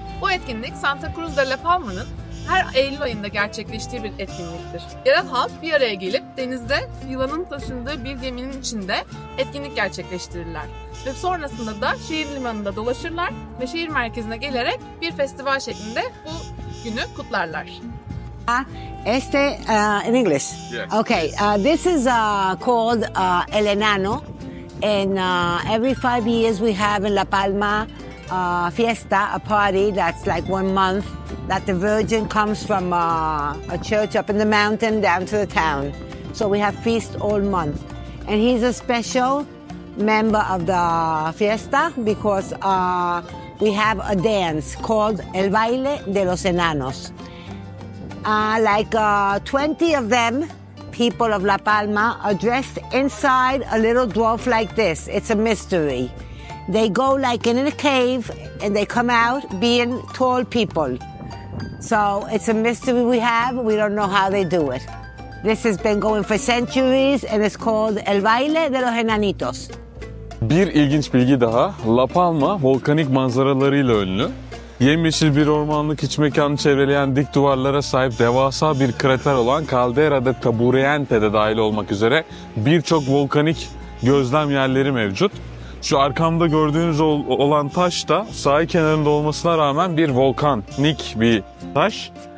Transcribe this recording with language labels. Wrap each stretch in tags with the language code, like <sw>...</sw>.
<tr>Bu etkinlik Santa Cruz de La Palma'nın her Eylül ayında gerçekleştiği bir etkinliktir. Yerel halk bir araya gelip denizde yılanın taşındığı bir geminin içinde etkinlik gerçekleştirirler. Ve sonrasında da şehir limanında dolaşırlar ve şehir merkezine gelerek bir festival şeklinde bu günü kutlarlar.</tr> <en>Este in English. Yes. Okay. This is called El Enano, and every 5 years we have in La Palma fiesta, a party that's like 1 month that the Virgin comes from a church up in the mountain down to the town. So we have feast all month, and he's a special member of the fiesta because we have a dance called El Baile de los Enanos. Like 20 of them, people of La Palma, are dressed inside a little dwarf like this. It's a mystery. They go like in a cave and they come out being tall people. So it's a mystery we have. We don't know how they do it. This has been going for centuries and it's called El Baile de los Enanitos.</en> <tr>Bir ilginç bilgi daha. La Palma volkanik manzaralarıyla ünlü. Yemyeşil bir ormanlık iç mekanı çevreleyen dik duvarlara sahip devasa bir krater olan Caldera de Tabureyente'de dahil olmak üzere birçok volkanik gözlem yerleri mevcut. Şu arkamda gördüğünüz olan taş da sahil kenarında olmasına rağmen bir volkanik bir taş.</tr>